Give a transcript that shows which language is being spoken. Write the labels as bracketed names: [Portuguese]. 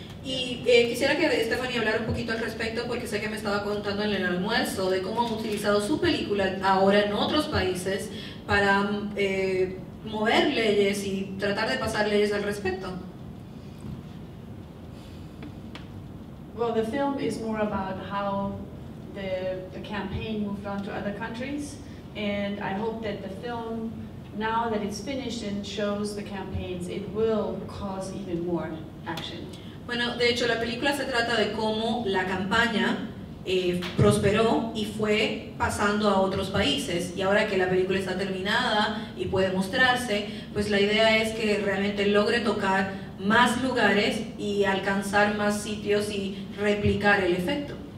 [Spanish] Y quisiera que Stephanie hablara un poquito al respecto porque sé que me estaba contando en el almuerzo de cómo han utilizado su película ahora en otros países para mover leyes y tratar de pasar leyes al respecto. [English] Well, the film is more about how the campaign moved on to other countries, and I hope that the film, now that it's finished and shows the campaigns, it will cause even more action. [Spanish] Bueno, de hecho, la película se trata de cómo la campaña prosperó y fue pasando a otros países, y ahora que la película está terminada y puede mostrarse, pues la idea es que realmente logre tocar más lugares y alcanzar más sitios y replicar el efecto.